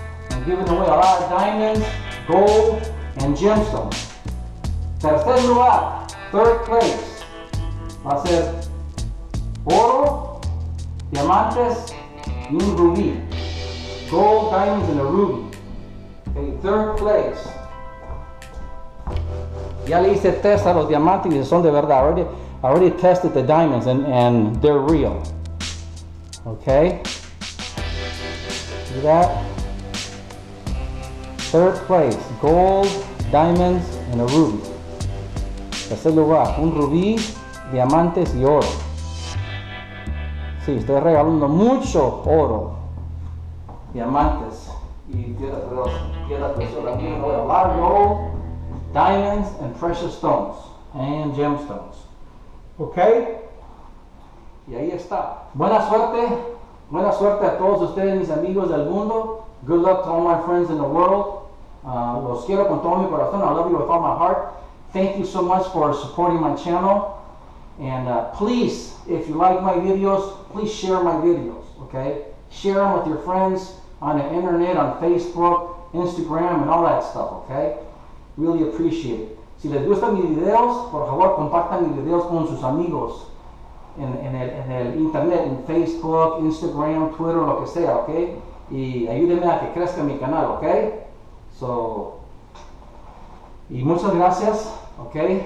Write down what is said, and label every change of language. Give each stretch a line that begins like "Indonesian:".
English: I'm giving away a lot of diamonds, gold, and gemstones.
Spanish: Tercer lugar,
English: third place,
Spanish: va a ser oro, diamantes, y un rubí.
English: Gold, diamonds, and a ruby. Okay, third place.
Spanish: Ya le hice test a los diamantes y son de verdad.
English: I already tested the diamonds and they're real. Okay. See that? Third place, gold, diamonds, and a ruby.
Spanish: Tercer lugar, un rubí, diamantes y oro. Sí, estoy regalando mucho oro. Diamantes y piedras preciosas.
English: A lot of gold, diamonds, and precious stones. And gemstones. Okay,
Spanish: y ahí está. Buena suerte a todos ustedes, mis amigos del mundo.
English: Good luck to all my friends in the world.
Spanish: Los quiero con todo mi corazón.
English: I love you with all my heart. Thank you so much for supporting my channel. And please, if you like my videos, please share my videos. Okay, share them with your friends on the internet, on Facebook, Instagram, and all that stuff. Okay, really appreciate it.
Spanish: Si les gustan mis videos, por favor compartan mis videos con sus amigos en el internet, en Facebook, Instagram, Twitter, lo que sea, ¿ok? Y ayúdenme a que crezca mi canal, ¿ok?
English: So,
Spanish: y muchas gracias, ¿ok?